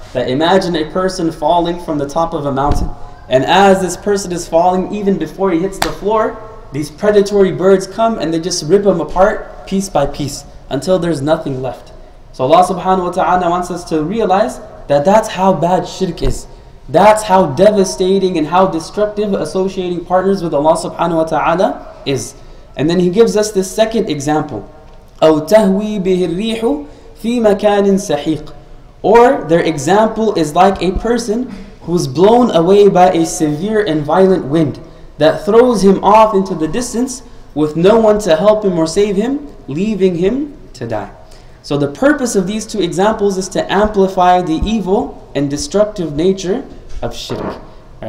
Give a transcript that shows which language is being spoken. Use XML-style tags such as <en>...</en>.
<en>That imagine a person falling from the top of a mountain. And as this person is falling, even before he hits the floor, these predatory birds come and they just rip them apart piece by piece until there's nothing left. So Allah subhanahu wa ta'ala wants us to realize that that's how bad shirk is. That's how devastating and how destructive associating partners with Allah subhanahu wa ta'ala is. And then He gives us this second example.</en> <ar>أَوْ تَهْوِي بِهِ الرِّيحُ فِي مَكَانٍ سَحِيقٍ.</ar> <en>Or their example is like a person who's blown away by a severe and violent wind that throws him off into the distance with no one to help him or save him, leaving him to die. So the purpose of these two examples is to amplify the evil and destructive nature of shirk. Right?</en>